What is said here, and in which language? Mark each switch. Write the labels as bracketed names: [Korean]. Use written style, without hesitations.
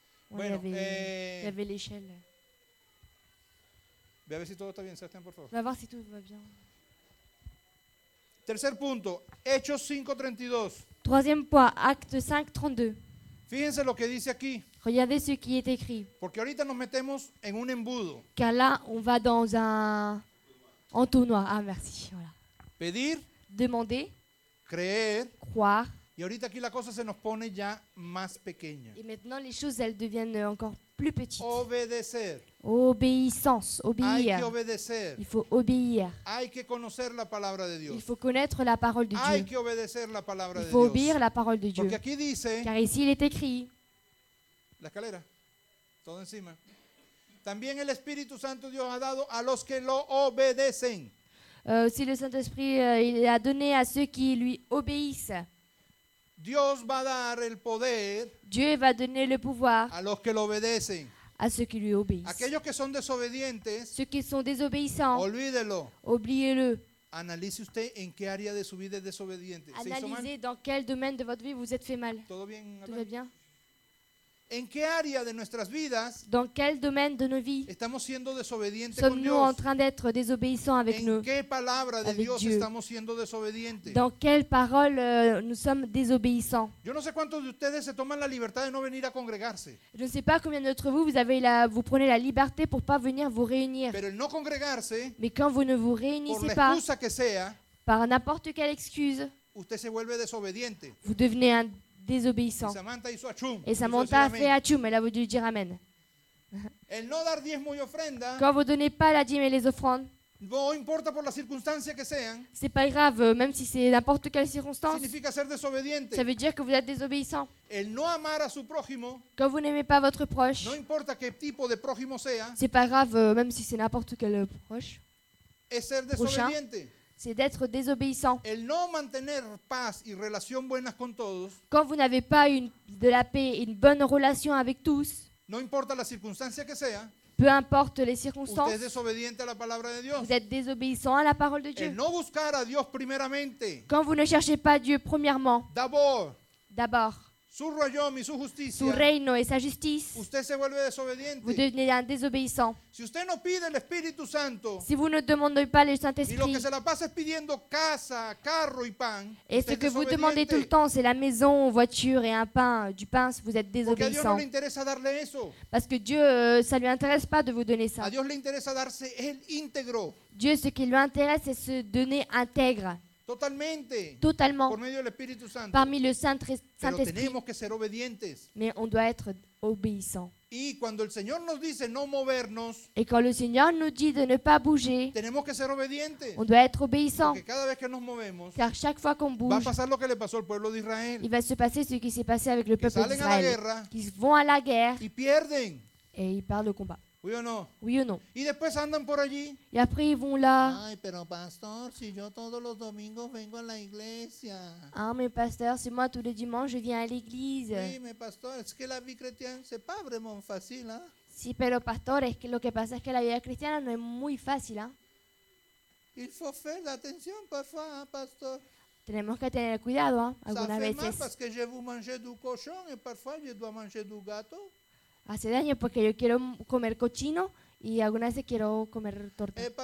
[French] Bueno, il y avait l'échelle. [Spanish] Ve a ver si todo está bien, Sebastián, por favor. Va a ver si todo va bien. Tercer punto, Hechos 5:32. [French] Troisième point, Actes 5:32. [Spanish] Fíjense lo que dice aquí. [French] Regardez ce qui est écrit. [Spanish] Porque ahorita nos metemos en un embudo. [French] Car là, on va dans un entonnoir. Ah, merci. Voilà. [Spanish] Pedir. [French] Demander. [Spanish] Creer. [French] Croire. [Spanish] Y ahorita aquí la cosa se nos pone ya más pequeña. [French] Et maintenant, les choses, elles deviennent encore plus petites. [Spanish] Obedecer. [French] Obéissance. Obéir. [Spanish] Hay que obedecer. [French] Il faut obéir. [Spanish] Hay que conocer la palabra de Dios. [French] Il faut connaître la parole de Dieu. [Spanish] Hay que obedecer la palabra de Dios. [French] Il faut obéir la parole de Dieu. [Spanish] Porque aquí dice. [French] Car ici, il est écrit. [Spanish] La escalera, todo encima. También el Espíritu Santo Dios ha dado a los que lo obedecen. [French] Si le Saint-Esprit il a donné a ceux qui lui obéissent. [Spanish] Dios va a dar el poder. [French] Dieu va donner le pouvoir. [Spanish] A los que lo obedecen. [French] À ceux qui lui obéissent. [Spanish] Aquellos que son desobedientes. [French] Ceux qui sont désobéissants. [Spanish] Olvídelo. [French] Oubliez-le. [Spanish] Analice usted en qué área de su vida es desobediente. [French] Analysez dans quel domaine de votre vie vous êtes fait mal. [Spanish] Todo bien. [French] Tout va bien. [Spanish] ¿En qué área de nuestras vidas? [French] Dans quel domaine de nos vies? [Spanish] Estamos siendo desobedientes con Dios. [French] Sommes-nous en train d'être désobéissants avec nous? [Spanish] ¿En qué palabra de Dios estamos siendo desobedientes? [French] Dans quelle parole nous sommes désobéissants? [Spanish] Yo no sé cuántos de ustedes se toman la libertad de no venir a congregarse. [French] Je ne sais pas combien d'entre vous vous prenez la liberté pour pas venir vous réunir. [Spanish] Pero el no congregarse. [French] Mais quand vous ne vous réunissez [Spanish] pas. Por la excusa que sea. [French] Par n'importe quelle excuse. [Spanish] Usted se vuelve desobediente. [French] Vous devenez un désobéissant. Et Samantha a fait achoum, elle a voulu dire amen. [Spanish] El no dar diezmo y ofrenda, [French] quand vous ne donnez pas la dîme et les offrandes, [Spanish] no importa por la circunstancia que sean, [French] c'est pas grave, même si c'est n'importe quelle circonstance, [Spanish] significa ser desobediente. [French] Ça veut dire que vous êtes désobéissant. [Spanish] El no amar a su prójimo, [French] quand vous n'aimez pas votre proche, [Spanish] no importa qué tipo de prójimo sea, [French] c'est pas grave, même si c'est n'importe quel proche, [Spanish] es ser desobediente. [French] Prochain, C'est d'être désobéissant. [Spanish] El no mantener paz y relación buenas con todos. [French] Quand vous n'avez pas de la paix et une bonne relation avec tous. [Spanish] No importa la circunstancia que sea. [French] Peu importe les circonstances. [Spanish] Usted es desobediente a la palabra de Dios. [French] Vous êtes désobéissant à la parole de Dieu. [Spanish] El no buscar a Dios primeramente. [French] Quand vous ne cherchez pas Dieu premièrement. D'abord. [Spanish] Su royaume y su justicia. Su reino y su justicia. Usted se vuelve desobediente. [French] Vous devenez un désobéissant. [Spanish] Si usted no pide el Espíritu Santo. [French] Si vous ne demandez pas le Saint-Esprit. [Spanish] Y lo que se la pasa es pidiendo casa, carro y pan. [French] Et ce que vous demandez tout le temps, c'est la maison, voiture et un pain, du pain, vous êtes désobéissant. [Spanish] Porque a Dios no le interesa darle eso. [French] Parce que Dieu, ça lui intéresse pas de vous donner ça. [Spanish] A Dios le interesa darse el íntegro. [French] Dieu, ce qui lui intéresse, c'est se donner intègre. [Spanish] Totalmente. [French] Totalement. [Spanish] Por medio del Espíritu Santo. [French] Parmi le Saint-Esprit. [Spanish] Tenemos que ser obedientes. [French] Mais on doit être obéissant. [Spanish] Y cuando el Señor nos dice no movernos. [French] Et quand le Seigneur nous dit de ne pas bouger. [Spanish] Tenemos que ser obedientes. [French] On doit être obéissant. [Spanish] Porque cada vez que nos movemos. [French] Car chaque fois qu'on bouge. [Spanish] Va a pasar lo que le pasó al pueblo de Israel. [French] Il va se passer ce qui s'est passé avec le peuple d'Israël. Qui vont à la guerre. [Spanish] Y pierden. [French] Et ils perdent le combat. Oui ou non? Oui ou non? [Spanish] Y después andan por allí. [French] Y après ils vont là. [Spanish] Ay, pero pastor, si yo todos los domingos vengo a la iglesia. [French] Ah, mais pasteur, si moi tous les dimanches je viens à l'église. Oui, mais pastor, [Spanish] es que [French] la vie chrétienne c'est pas vraiment facile, hein? [Spanish] Sí, pero pastor, es que lo que pasa es que la vida cristiana no es muy fácil, hein? [French] Il faut faire attention parfois, hein, pastor. [Spanish] Tenemos que tener cuidado, hein, algunas veces. [French] Ça fait mal parce que je vous mange du cochon et parfois je dois manger du gâteau. [Spanish] Hace daño porque yo quiero comer cochino y algunas veces quiero comer torta.